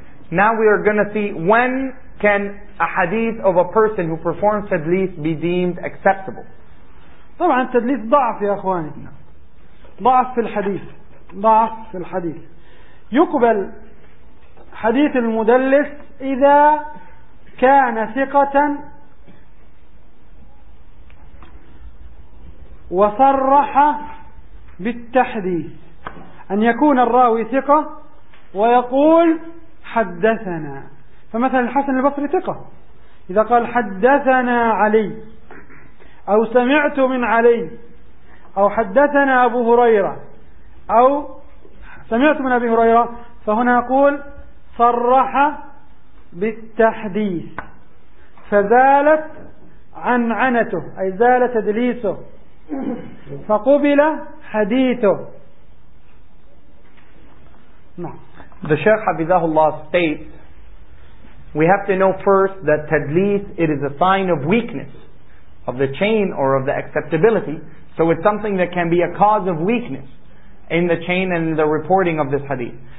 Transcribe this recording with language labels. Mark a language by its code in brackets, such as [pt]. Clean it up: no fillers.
[en] Now we are going to see, when can a hadith of a person who performs tadlis be deemed acceptable? [ar] طبعا التدليس ضعف يا أخواني. ضعف في الحديث. ضعف في الحديث. يقبل حديث المدلس إذا كان ثقة وصرح بالتحديث، أن يكون الراوي ثقة ويقول حدثنا. فمثلا الحسن البصري ثقة، إذا قال حدثنا علي أو سمعت من علي أو حدثنا أبو هريرة أو سمعت من أبي هريرة، فهنا يقول صرح بالتحديث فزالت عنعنته، أي زال تدليسه فقبل حديثه. [en] The Sheikh [ar] حفظه الله [en] states, we have to know first that tadlis, it is a sign of weakness of the chain or of the acceptability. So it's something that can be a cause of weakness in the chain and in the reporting of this hadith.